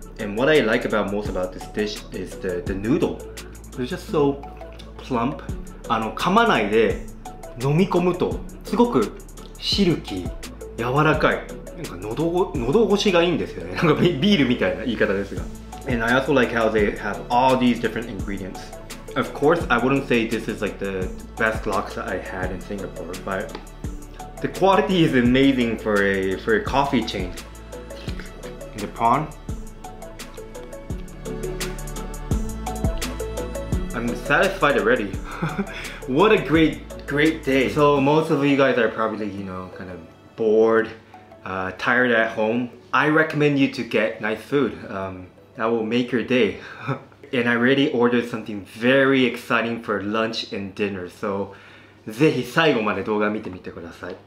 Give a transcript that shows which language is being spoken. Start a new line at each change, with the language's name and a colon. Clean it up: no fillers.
English: And what I like about most about this dish is the noodle. It's just so plump.
Japanese: あの噛まないで飲み込むとすごくシルキー、柔らかい。なんか喉越しがいいんですよね。なんかビールみたいな言い方ですが。
English: And I also like how they have all these different ingredients. Of course, I wouldn't say this is like the best laksa I had in Singapore, but the quality is amazing for a coffee chain. And the prawn. I'm satisfied already. What a great day. So most of you guys are probably, you know, kind of bored, tired at home. I recommend you to get nice food. That will make your day. And I already ordered something very exciting for lunch and dinner.
Japanese: So, ぜひ最後まで動画見てみてください.